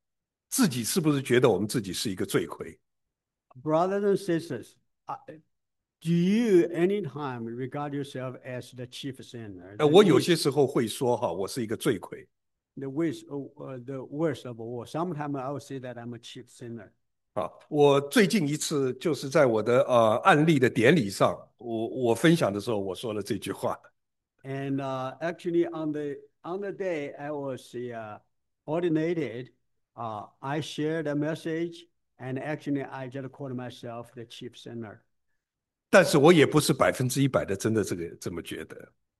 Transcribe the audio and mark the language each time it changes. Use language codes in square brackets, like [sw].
[zh] 弟兄姐妹，我们自己是不是觉得我们自己是一个罪魁？ [en] Brothers and sisters, do you anytime regard yourself as the chief sinner? [zh] 我有些时候会说哈，我是一个罪魁。 [en] The worst of all, sometimes I would say that I'm a chief sinner. [zh] 我最近一次就是在我的案例的典礼上，我分享的时候，我说了这句话。 [en] And actually, on the day I was ordinated, I shared a message, and actually I just called myself the chief sinner. [zh] 但是我也不是100%的真的这个这么觉得。